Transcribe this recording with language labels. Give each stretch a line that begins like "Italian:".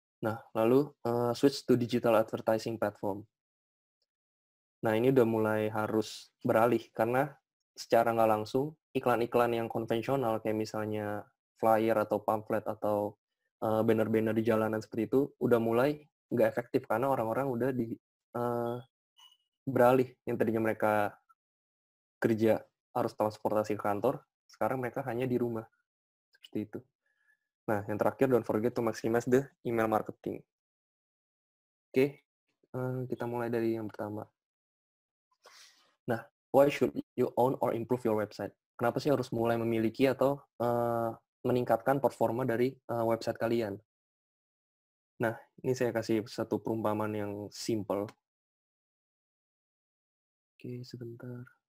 Indonesian: Nah, lalu
English: switch to digital advertising platform.
Indonesian: Nah, ini udah mulai harus beralih karena secara nggak langsung iklan-iklan yang konvensional kayak misalnya flyer atau pamflet atau banner-banner di jalanan seperti itu udah mulai nggak efektif karena orang-orang udah di beralih. Yang tadinya mereka kerja harus transportasi ke kantor, sekarang mereka hanya di rumah, seperti itu. Nah, yang terakhir,
English: don't forget to maximize the email marketing.
Indonesian: Oke, kita mulai dari yang pertama.
English: Nah, why should you own or improve your website?
Indonesian: Kenapa sih harus mulai memiliki atau meningkatkan performa dari website kalian? Nah, ini saya kasih satu perumpamaan yang simple. Oke, sebentar.